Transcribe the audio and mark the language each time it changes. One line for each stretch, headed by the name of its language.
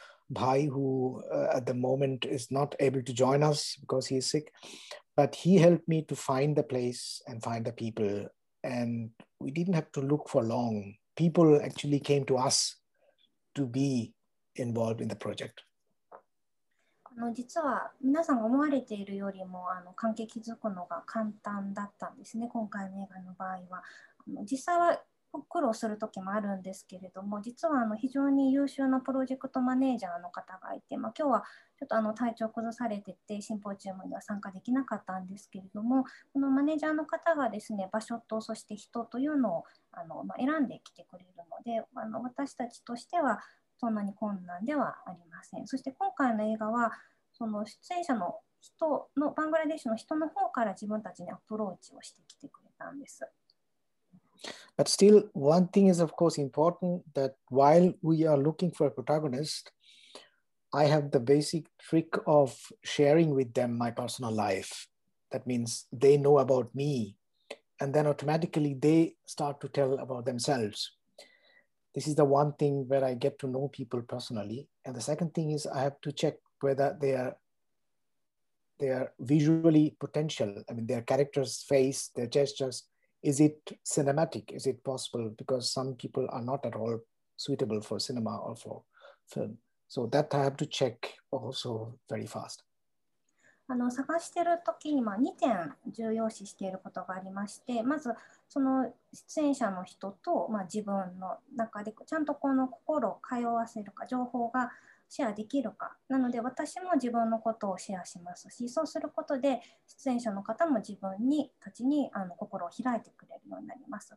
English: Bhai, who at the moment is not able to join us because he is sick, but he helped me to find the place and find the people. And we didn't have to look for long. People actually came to us to be involved in the project.
Japanese: 実は皆さんが思われているよりも関係築くのが簡単だったんですね、今回の映画の場合は。実際は苦労する時もあるんですけれども、実は非常に優秀なプロジェクトマネージャーの方がいて、今日はちょっと体調崩されててシンポジウムには参加できなかったんですけれども、このマネージャーの方がですね、場所とそして人というのを選んできてくれるので、私たちとしてはそんなに困難ではありません。そして今回の映画はその出演者の人のバングラデシュの人の方から自分たちにアプローチをしてきてくれたんです。
English: But still, one thing is of course important, that while we are looking for a protagonist, I have the basic trick of sharing with them my personal life. That means they know about me, and then automatically they start to tell about themselves. This is the one thing where I get to know people personally. And the second thing is I have to check whether they are visually potential. I mean, their character's face, their gestures,Is it cinematic? Is it possible? Because some people are not at all suitable for cinema or for film. So that I have to check also very fast.
Japanese: 探してる時に2点重要視していることがありまして、まずその出演者の人と自分の中でちゃんとこの心を通わせるか、情報がシェアできるか。なので私も自分のことをシェアしますし、そうすることで出演者の方も自分にたちに心を開いてくれるようになります。